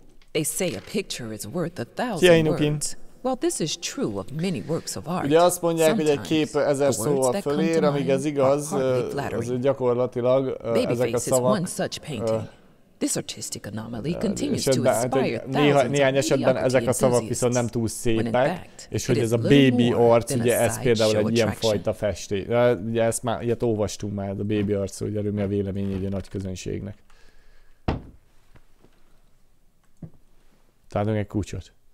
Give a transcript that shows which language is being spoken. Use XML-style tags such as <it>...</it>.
<en>They say a picture is worth a thousand words. Well, this is true of many works of art.</en> <hu>Ugye azt mondják, hogy egy kép ezer szóval fölér, amíg ez igaz, az gyakorlatilag ezek a szavak.</hu> <en>This artistic anomaly continues to inspire thousands.</en> <hu>Néhány esetben ezek a szavak viszont nem túl szépek, és hogy ez a baby art, ugye ez például egy ilyen fajta festés. Ugye ezt már, ilyet olvastunk már, a baby art, hogy erről mi a vélemény egy nagy közönségnek. Találunk egy kulcsot.</hu>